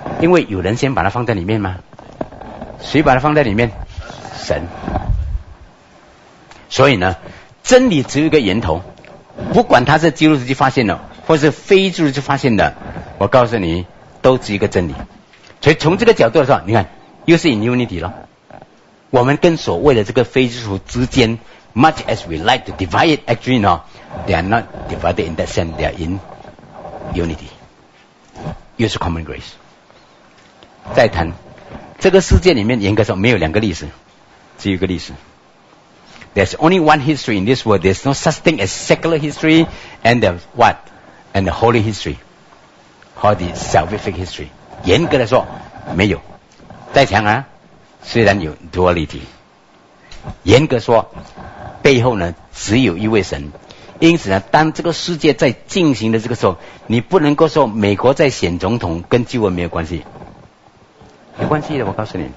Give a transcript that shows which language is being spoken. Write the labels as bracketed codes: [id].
[zh] 因为有人先把它放在里面吗？谁把它放在里面？神。所以呢，真理只有一个源头，不管它是基督徒发现的，或是非基督徒发现的，我告诉你，都是一个真理。所以从这个角度来说，你看，又是 [en] in unity [zh] 了。我们跟所谓的这个非基督徒之间 [en] ，much as we like to divide it, actually no. They are not divided in that sense. They are in unity. Use common grace. [zh] 再谈，这个世界里面严格说没有两个历史，只有一个历史。 [en] There's only one history in this world. There's no such thing as secular history and the what? And the holy history. Or the salvific history. [zh] 严格的说，没有。再讲啊，虽然有 duality. 严格说，背后呢，只有一位神。因此呢，当这个世界在进行的这个时候，你不能够说美国在选总统跟基督没有关系，没关系的，我告诉你。